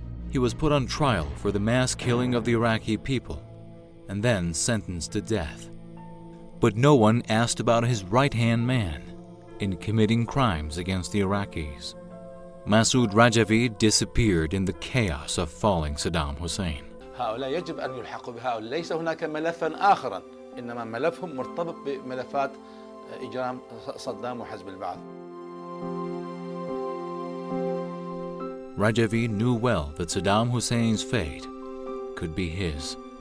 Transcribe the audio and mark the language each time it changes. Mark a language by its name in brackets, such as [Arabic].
[English] He was put on trial for the mass killing of the Iraqi people and then sentenced to death. But no one asked about his right-hand man in committing crimes against the Iraqis. Masoud Rajavi disappeared in the chaos of falling Saddam Hussein. [Arabic] هؤلاء يجب أن يلحقوا بهؤلاء ليس هناك ملفا آخرا إنما ملفهم مرتبط بملفات إجرام صدام وحزب البعث. [English] Rajavi knew well that Saddam Hussein's fate could be his.